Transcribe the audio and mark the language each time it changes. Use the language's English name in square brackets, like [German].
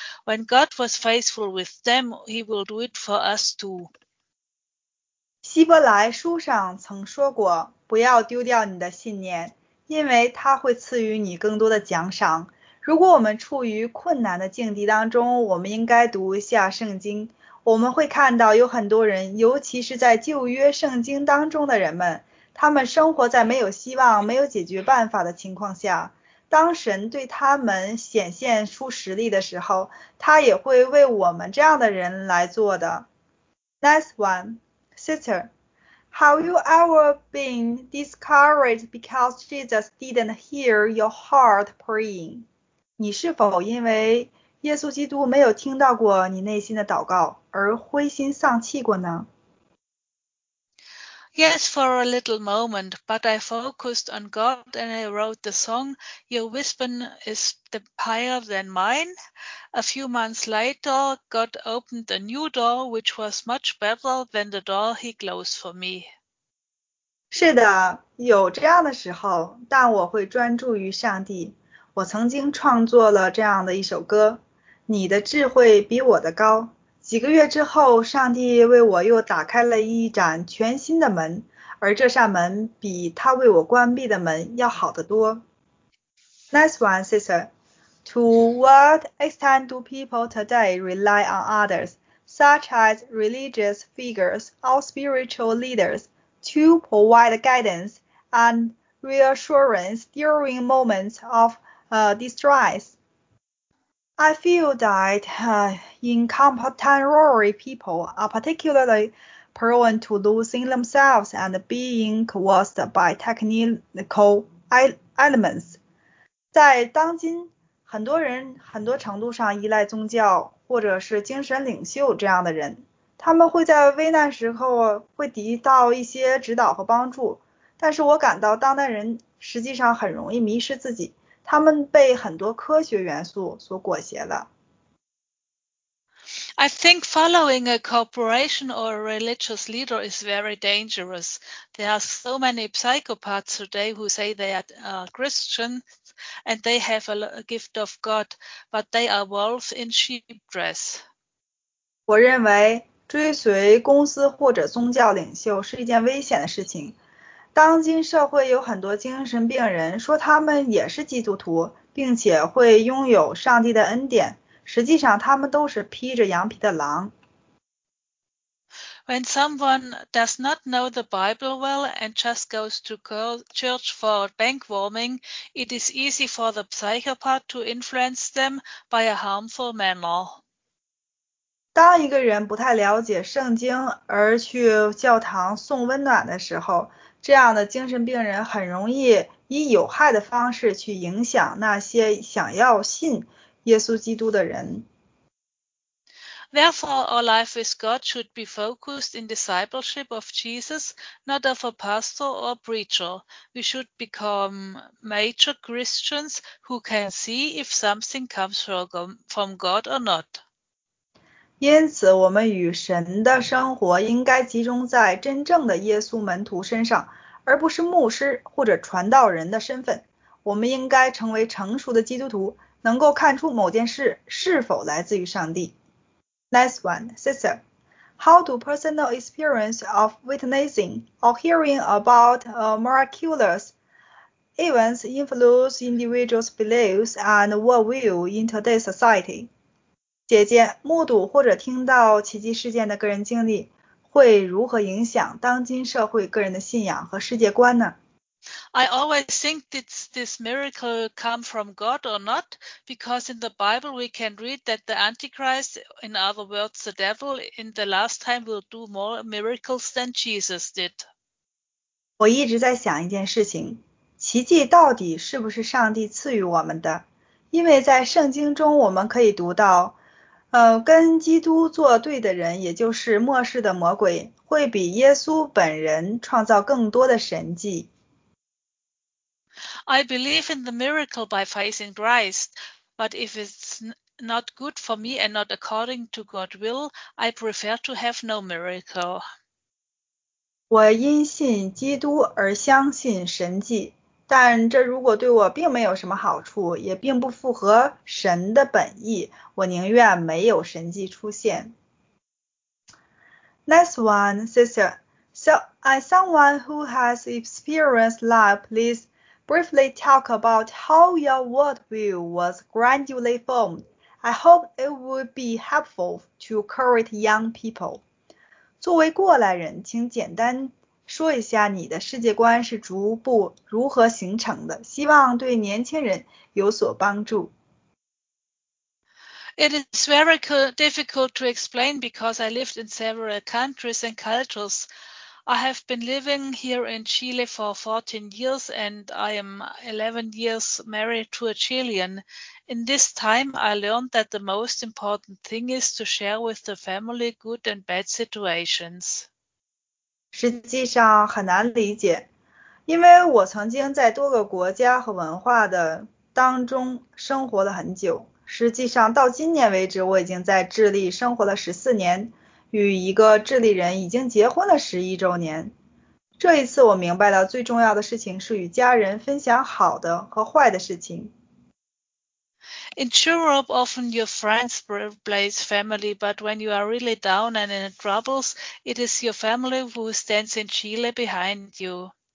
[English] When God was faithful with them, he will do it for us too. [Chinese] 希伯来书上曾说过，不要丢掉你的信念。因为他会赐予你更多的奖赏。如果我们处于困难的境地当中，我们应该读一下圣经。我们会看到有很多人，尤其是在旧约圣经当中的人们，他们生活在没有希望、没有解决办法的情况下。当神对他们显现出实力的时候，他也会为我们这样的人来做的。 [English] Next one, sister. Have you ever been discouraged because Jesus didn't hear your heart praying? [Chinese] 你是否因为耶稣基督没有听到过你内心的祷告而灰心丧气过呢？ [English] Yes, for a little moment, but I focused on God and I wrote the song, Your Wisdom is Higher Than Mine. A few months later, God opened a new door, which was much better than the door he closed for me. [Chinese] 是的，有这样的时候，但我会专注于上帝。我曾经创作了这样的一首歌，你的智慧比我的高。几个月之后，上帝为我又打开了一盏全新的门，而这扇门比他为我关闭的门要好得多。 [English] Next one, sister. To what extent do people today rely on others, such as religious figures or spiritual leaders, to provide guidance and reassurance during moments of distress? I feel that incompetent people are particularly prone to losing themselves and being coerced by technical elements. [Chinese] 在当今，很多人很多程度上依赖宗教或者是精神领袖这样的人，他们会在危难时候会得到一些指导和帮助，但是我感到当代人实际上很容易迷失自己。他们被很多科学元素所裹挟了。 [English] I think following a corporation or a religious leader is very dangerous. There are so many psychopaths today who say they are Christians and they have a gift of God, but they are wolves in sheep dress. [Chinese] 我认为追随公司或者宗教领袖是一件危险的事情。当今社会有很多精神病人说他们也是基督徒，并且会拥有上帝的恩典，实际上他们都是披着羊皮的狼。 [English] When someone does not know the Bible well and just goes to church for bank warming, it is easy for the psychopath to influence them by a harmful manner. [Chinese] 当一个人不太了解圣经而去教堂送温暖的时候，这样的精神病人很容易以有害的方式去影响那些想要信耶稣基督的人。 [English] Therefore, our life with God should be focused in discipleship of Jesus, not of a pastor or preacher. We should become mature Christians who can see if something comes from God or not. [Chinese] 因此，我们与神的生活应该集中在真正的耶稣门徒身上。而不是牧师或者传道人的身份。我们应该成为成熟的基督徒，能够看出某件事是否来自于上帝。 [English] Next one, sister. How do personal experience of witnessing or hearing about a miraculous events influence individuals' beliefs and worldview in today's society? [Chinese] 姐姐，目睹或者听到奇迹事件的个人经历会如何影响当今社会个人的信仰和世界观呢？ [English] I always think this miracle come from God or not, because in the Bible we can read that the Antichrist, in other words the devil, in the last time will do more miracles than Jesus did. [Chinese] 我一直在想一件事情，奇迹到底是不是上帝赐予我们的？因为在圣经中我们可以读到，跟基督作对的人，也就是末世的魔鬼，会比耶稣本人创造更多的神迹。 [English] I believe in the miracle by faith in Christ, but if it's not good for me and not according to God's will, I prefer to have no miracle. [Chinese] 我因信基督而相信神迹，但这如果对我并没有什么好处，也并不符合神的本意，我宁愿没有神迹出现。 [English] Next one, sister. So, as someone who has experienced life, please briefly talk about how your worldview was gradually formed. I hope it would be helpful to current young people. [Chinese] 作为过来人，请简单说一下你的世界观是逐步如何形成的，希望对年轻人有所帮助。 [English] It is very difficult to explain because I lived in several countries and cultures. I have been living here in Chile for 14 years and I am 11 years married to a Chilean. In this time, I learned that the most important thing is to share with the family good and bad situations. [Chinese] 实际上很难理解，因为我曾经在多个国家和文化的当中生活了很久。实际上到今年为止，我已经在智利生活了14年，与一个智利人已经结婚了11周年。这一次我明白了最重要的事情是与家人分享好的和坏的事情。 [English] In Europe, often your friends blaze family, but when you are really down and in troubles, it is your family who stands in Chile behind you.